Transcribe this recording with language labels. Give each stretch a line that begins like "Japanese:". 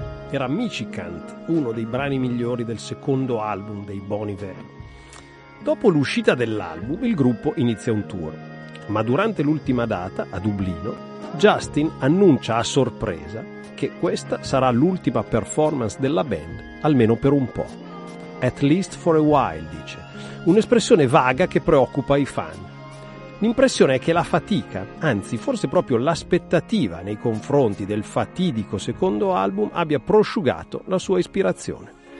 Italian: Era Michigant, uno dei brani migliori del secondo album dei Bon Iver. Dopo l'uscita dell'album, il gruppo inizia un tour. Ma durante l'ultima data, a Dublino, Justin annuncia a sorpresa che questa sarà l'ultima performance della band, almeno per un po'.
English: At least for a while,
Italian: dice. Un'espressione vaga che preoccupa i fan. L'impressione è che la fatica, anzi forse proprio l'aspettativa nei confronti del fatidico secondo album abbia prosciugato la sua ispirazione.